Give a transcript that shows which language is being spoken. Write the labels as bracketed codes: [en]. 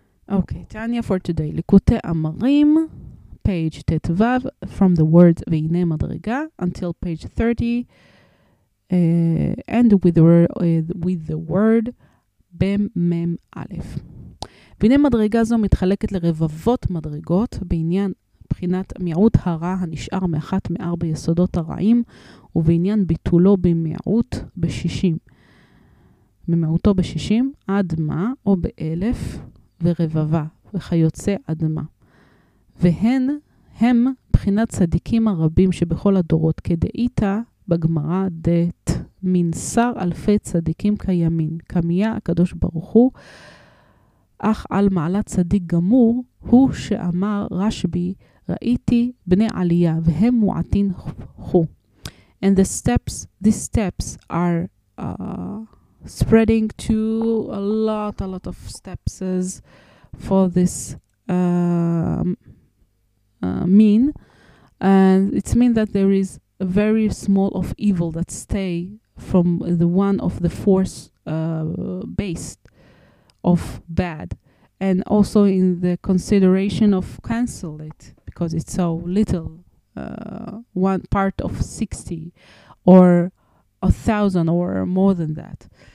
[en] Okay, Tania for today. Likute Amarim, page Tetvav, from the word Veine Madriga until page 30. And with the word Bem Mem Aleph. [he] והנה מדרגה זו מתחלקת לרבבות מדרגות בעניין בחינת מיעוט הרע הנשאר מאחת מארבע יסודות הרעים, ובעניין ביטולו במיעוט בשישים. ממיעוטו בשישים, אדמה או באלף ורבבה וכיוצא אדמה. והן הם בחינת צדיקים הרבים שבכל הדורות, כדאיתה בגמרא דת מנסר אלפי צדיקים קיימין, קמיה הקדוש ברוך הוא, אך על מעלת צדיק גמור, הוא שאמר רשבי, ראיתי בני עלייה, והם מועטין חו. [en] And the steps, these steps are spreading to a lot of steps for this mean. And it's mean that there is a very small of evil that stay from the one of the force based of bad, and also in the consideration of cancel it, because it's so little, one part of 60 or 1,000 or more than that.